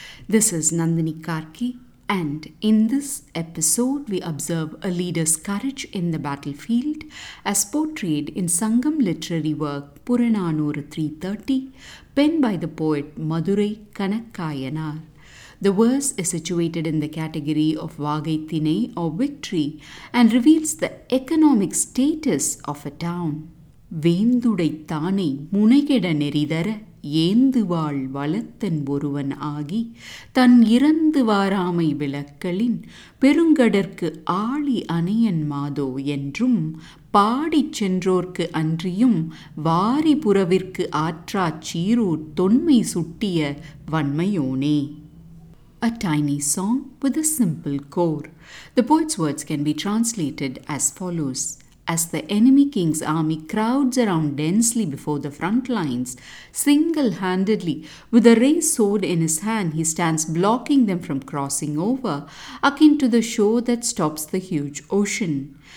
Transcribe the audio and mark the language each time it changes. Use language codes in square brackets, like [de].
[en] This is Nandini Karki, and in this episode we observe a leader's courage in the battlefield as portrayed in Sangam literary work Puranaanooru 330, penned by the poet Madurai Kanakkayanaar. The verse is situated in the category of Vaagai Thinai or victory and reveals the economic status of a town. [ta] வேந்துடை தானே முனைகெட நெறிதர ஏந்துவாள் வளத்தன் ஒருவன் ஆகி தன் இறந்து வாராமை விளக்களின் பெருங்கடற்கு ஆளி அணையன் மாதோ என்றும் பாடி சென்றோர்க்கு அன்றியும் வாரி புறவிற்கு ஆற்றா சீரூர் தொன்மை சுட்டிய வன்மையோனே. [en] A tiny song with a simple core. The poet's words can be translated as follows. As the enemy king's army crowds around densely before the front lines, single-handedly, with a raised sword in his hand, he stands blocking them from crossing over, akin to the shore that stops the huge ocean.